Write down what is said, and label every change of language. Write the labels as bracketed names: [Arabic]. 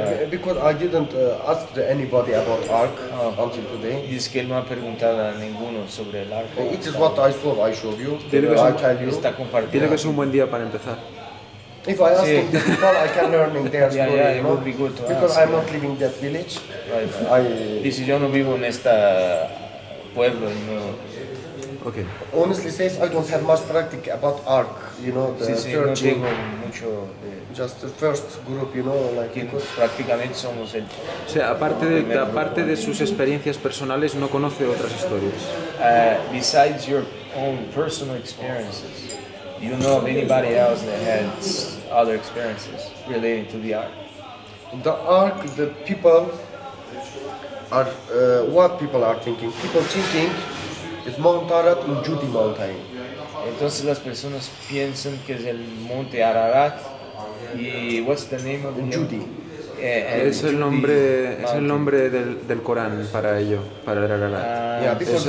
[English] Because I didn't ask anybody about ark until today. [Spanish] Dice que él no ha preguntado a ninguno sobre el arca. [English] It is what I saw. I showed you. Tiene [Spanish] que ser un buen día para empezar. [English] If I ask the people, I can learn in their story. Yeah, it would be good to ask. Because I'm not living in that village. [Spanish] Dice yo no vivo en este pueblo. No. [English] Okay. Honestly says I don't have much practice about ark, you know, the searching. [Spanish] No tengo mucho [English] just the first group, you know, like [Spanish] prácticamente somos el. O sea, aparte de sus experiencias personales, no conoce otras historias. [English] Besides your own personal experiences, do you know of anybody else that had other experiences relating to the ark? The ark, the people are what people are thinking. People thinking es Monte Ararat en Judy Mountain. [Spanish] Entonces las personas piensan que es el Monte Ararat. [English] Y what's the name of Judy? [Spanish] Es el nombre del Corán para ello, para el Ararat.